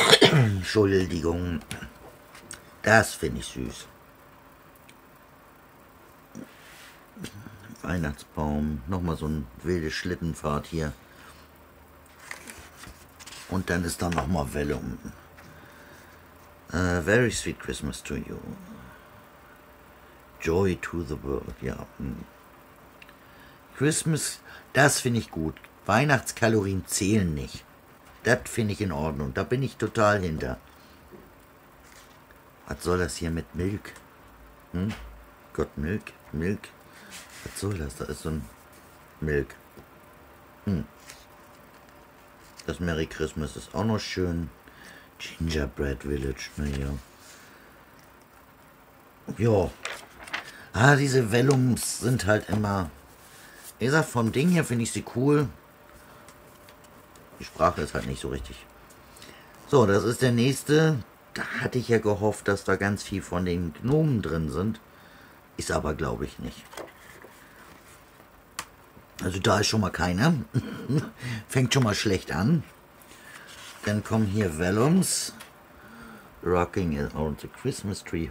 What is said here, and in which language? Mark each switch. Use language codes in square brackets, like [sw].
[de] Entschuldigung. Das finde ich süß. Weihnachtsbaum, nochmal so ein wilde Schlittenfahrt hier. Und dann ist da nochmal Vellum. [en] Very sweet Christmas to you. Joy to the world, ja. [de] Christmas, das finde ich gut. Weihnachtskalorien zählen nicht. Das finde ich in Ordnung. Da bin ich total hinter. Was soll das hier mit Milch? Hm? Gott, Milch, Milch. Was soll das? Da ist so ein Milk. Hm. Das Merry Christmas ist auch noch schön. Gingerbread Village, naja. Jo. Ah, diese Vellums sind halt immer. Wie gesagt, vom Ding her finde ich sie cool. Die Sprache ist halt nicht so richtig. So, das ist der nächste. Da hatte ich ja gehofft, dass da ganz viel von den Gnomen drin sind. Ist aber, glaube ich, nicht. Also da ist schon mal keiner. Fängt schon mal schlecht an. Dann kommen hier Vellums. [en] Rocking around the Christmas tree.